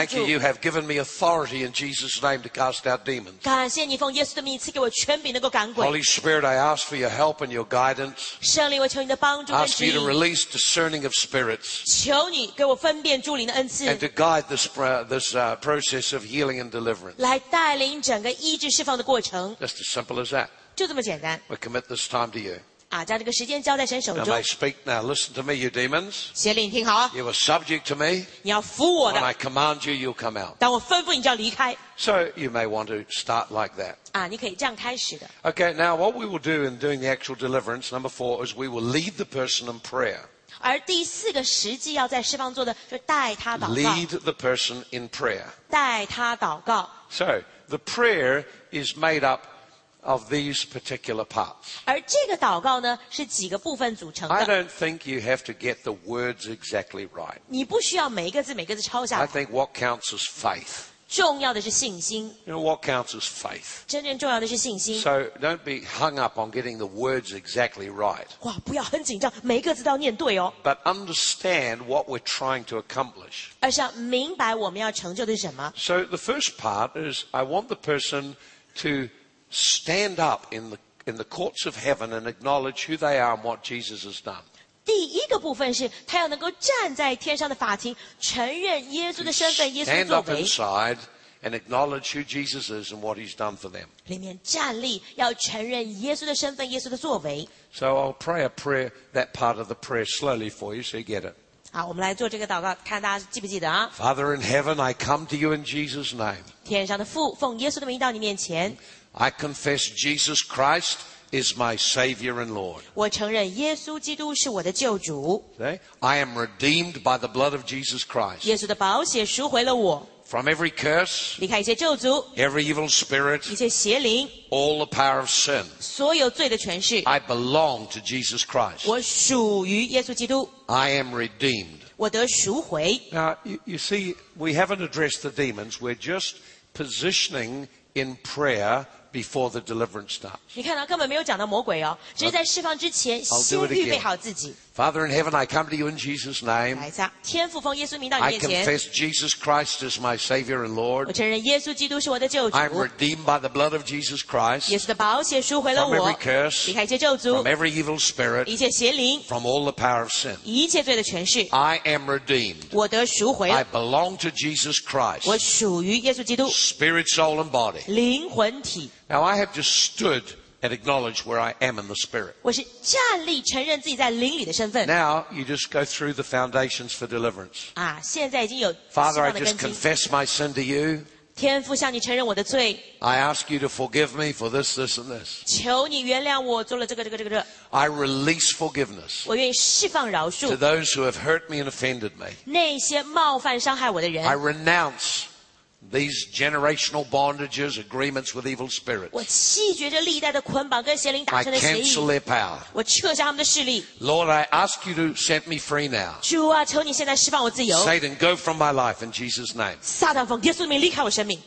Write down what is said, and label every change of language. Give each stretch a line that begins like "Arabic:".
English: I thank you. You have given me authority in Jesus' name to cast out demons.
Chinese: 感谢你奉耶稣的名赐给我权柄，能够赶鬼。
English: Holy Spirit, I ask for your help and your guidance.
Chinese: 圣灵，我求你的帮助和指引。
English: Ask you to release discerning of spirits.
Chinese: 求你给我分辨诸灵的恩赐。
English: And to guide this process of healing and deliverance.
Chinese: 来带领整个医治释放的过程。
English: Just as simple as that.
Chinese: 就这么简单。
English: We commit this time to you.
Chinese: 将这个时间交在神手中。
English: Now may speak now. Listen to me, you demons.
Chinese: 邪灵，听好。
English: You are subject to me.
Chinese: 你要服我的。
English: When I command you, you'll come out.
Chinese: 当我吩咐你，就要离开。
English: So you may want to start like that.
Chinese: 你可以这样开始的。
English: Okay, now what we will do in doing the actual deliverance, number four, is we will lead the person in prayer.
Chinese: 而第四个实际要在释放做的，就带他祷告。
English: Lead the person in prayer.
Chinese: 带他祷告。
English: So the prayer is made up. Of these particular parts.
Chinese: 而这个祷告呢，是几个部分组成的。
English: I don't think you have to get the words exactly right.
Chinese: 你不需要每一个字每个字抄下来。
English: I think what counts is faith.
Chinese: 重要的是信心。
English: You know what counts is faith.
Chinese: 真正重要的是信心。
English: So don't be hung up on getting the words exactly right.
Chinese: 哇，不要很紧张，每一个字都要念对哦。
English: But understand what we're trying to accomplish.
Chinese: 而是要明白我们要成就的是什么。
English: So the first part is I want the person to. Stand up in the courts of heaven and acknowledge who they are and what Jesus has done.
Chinese: 第一个部分是他要能够站在天上的法庭，承认耶稣的身份，耶稣的作为。
English: Stand up inside and acknowledge who Jesus is and what He's done for them.
Chinese: 里面站立，要承认耶稣的身份，耶稣的作为。
English: So I'll pray a prayer that part of the prayer slowly for you, so you get it.
Chinese: 好，我们来做这个祷告，看大家记不记得啊
English: ？Father in heaven, I come to you in Jesus' name.
Chinese: 天上的父，奉耶稣的名到你面前。
English: I confess Jesus Christ is my Savior and Lord.
Chinese: 我承认耶稣基督是我的救主。
English: Okay? I am redeemed by the blood of Jesus Christ.
Chinese: 耶稣的宝血赎回了我。
English: From every curse,
Chinese: 离开一切咒诅。
English: Every evil spirit,
Chinese: 一切邪灵。
English: All the power of sin,
Chinese: 所有罪的权势。
English: I belong to Jesus Christ.
Chinese: 我属于耶稣基督。
English: I am redeemed.
Chinese: 我得赎回。
English: Now, you see, we haven't addressed the demons. We're just positioning. In prayer before the deliverance starts.
Chinese: 你看到根本没有讲到魔鬼哦，只是在释放之前先预备好自己。
English: Father in heaven, I come to you in Jesus' name.
Chinese: 天父奉耶稣名到你面前。
English: I confess Jesus Christ as my Savior and Lord.
Chinese: 我承认耶稣基督是我的救主。
English: I'm redeemed by the blood of Jesus Christ.
Chinese: 耶稣的宝血赎回了我。
English: From every curse,
Chinese: 离开一切咒诅。
English: From every evil spirit,
Chinese: 一切邪灵。
English: From all the power of sin,
Chinese: 一切罪的权势。
English: I am redeemed.
Chinese: 我得赎回。
English: I belong to Jesus Christ.
Chinese: 我属于耶稣基督。
English: Spirit, soul, and body.
Chinese: 灵魂体。
English: Now I have just stood. And acknowledge where I am in the spirit.
Chinese: 我是站立承认自己在灵里的身份。
English: Now you just go through the foundations for deliverance.
Chinese: 现在已经有释放的根基。
English: Father, I just confess my sin to you.
Chinese: 天父向你承认我的罪。
English: I ask you to forgive me for this, this, and this.
Chinese: 求你原谅我做了这个这个这个这。
English: I release forgiveness.
Chinese: 我愿意释放饶恕。
English: To those who have hurt me and offended me.
Chinese: 那些冒犯伤害我的人。
English: I renounce. These generational bondages, agreements with evil spirits.
Chinese: 我弃绝这历代的捆绑跟邪灵达成的协议。
English: I cancel their power.
Chinese: 我撤下他们的势力。
English: Lord, I ask you to set me free now.
Chinese: 主啊，求你现在释放我自由。
English: Satan, go from my life in Jesus' name.
Chinese: 撒旦，奉耶稣的名离开我生命。